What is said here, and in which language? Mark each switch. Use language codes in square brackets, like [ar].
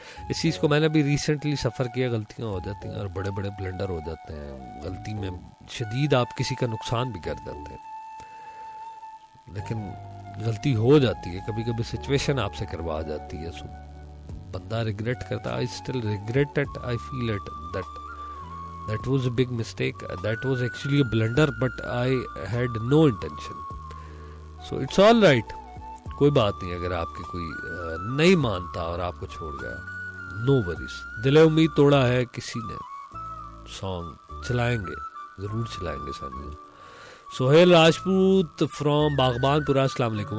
[ur] اس چیز کو میں نے بھی ریسنٹلی سفر کیا, غلطیاں ہو جاتی ہیں اور بڑے بڑے بلنڈر ہو جاتے ہیں, غلطی میں شدید آپ کسی کا نقصان بھی کر دیتے ہیں لیکن غلطی ہو جاتی ہے, کبھی کبھی سچویشن آپ سے کروا جاتی ہے, سو بندہ ریگریٹ کرتا. [en] I still regret it, I feel it that That was a big mistake. That was actually a blunder, but I had no intention. So it's all right. [ur] کوئی بات نہیں, اگر آپ کے کوئی نہیں مانتا اور آپ کو چھوڑ گیا, [en] No worries. [ur] دل امید توڑا ہے کسی نے, سانگ چلائیں گے, ضرور چلائیں گے سامنے. سہیل راجپوت فرام باغبان پورا, السلام علیکم.